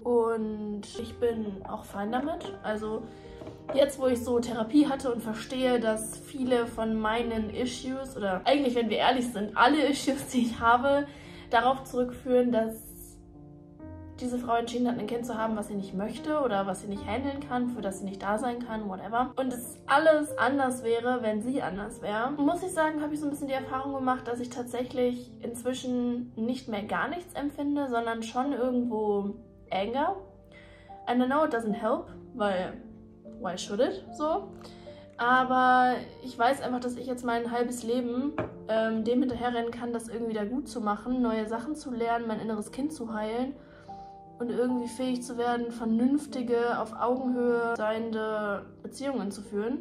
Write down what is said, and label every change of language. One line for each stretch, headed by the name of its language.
German: Und ich bin auch fein damit. Also jetzt, wo ich so Therapie hatte und verstehe, dass viele von meinen Issues, oder eigentlich, wenn wir ehrlich sind, alle Issues, die ich habe, darauf zurückführen, dass diese Frau entschieden hat, ein Kind zu haben, was sie nicht möchte oder was sie nicht handeln kann, für das sie nicht da sein kann, whatever. Und es alles anders wäre, wenn sie anders wäre. Muss ich sagen, habe ich so ein bisschen die Erfahrung gemacht, dass ich tatsächlich inzwischen nicht mehr gar nichts empfinde, sondern schon irgendwo Anger.
English: And I know it doesn't help, weil why should it? So.
German: Aber ich weiß einfach, dass ich jetzt mein halbes Leben dem hinterherrennen kann, das irgendwie da gut zu machen, neue Sachen zu lernen, mein inneres Kind zu heilen und irgendwie fähig zu werden, vernünftige, auf Augenhöhe seiende Beziehungen zu führen.